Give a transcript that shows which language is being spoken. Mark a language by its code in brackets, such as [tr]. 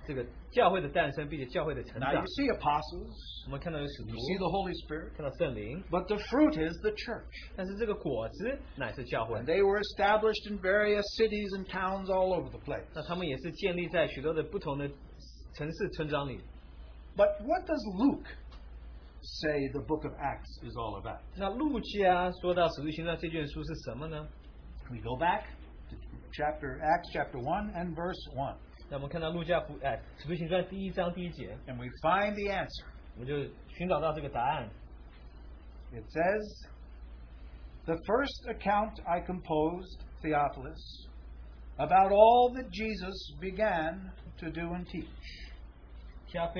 [zh] 那我们当然知道使徒行传这卷书是讲到这个教会的诞生并且教会的成长。 [en] Now you see apostles, [zh] 我们看到有使徒, [en] you see the Holy Spirit, [zh] 看到圣灵, [en] but the fruit is the church. [zh] 但是这个果子乃是教会, [en] and they were established in various cities and towns all over the place. [zh] 那他们也是建立在许多的不同的城市村庄里。 [en] But what does Luke say the book of Acts is all about? [zh] 那路加说到使徒行传这卷书是什么呢? [en] We go back to Acts chapter 1 and verse 1. [zh] 那我们看到路加福音使徒行传第一章第一节, [en] and we find the answer. It says, the first account I composed, Theophilus, about all that Jesus began to do and teach.